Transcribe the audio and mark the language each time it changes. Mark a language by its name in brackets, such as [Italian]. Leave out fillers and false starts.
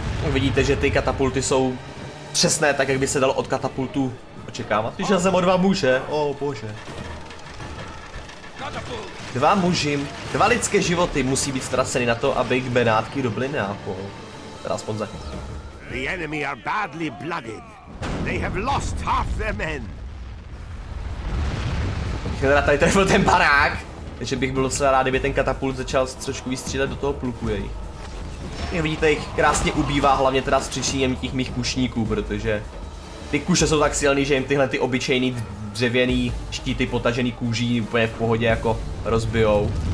[Czech] Vidíte, že ty katapulty jsou přesné, tak jak by se dalo od katapultů očekávat. Přišel jsem o dva muže, o bože. Dva muži, dva lidské životy musí být ztraceny na to, aby k Benátky dobili Neapol. Teda aspoň za tím. [English] The enemy are badly blooded. They have lost half their men. [Czech] Teda tady trefil ten barák. Takže bych byl docela rád, kdyby ten katapult začal trošku vystřílet do toho pluku jej. jak vidíte, jich krásně ubývá, hlavně teda s přičiněním těch mých kušníků, protože ty kuše jsou tak silný, že jim tyhle ty obyčejný dřevěný štíty potažený kůží úplně v pohodě jako rozbijou.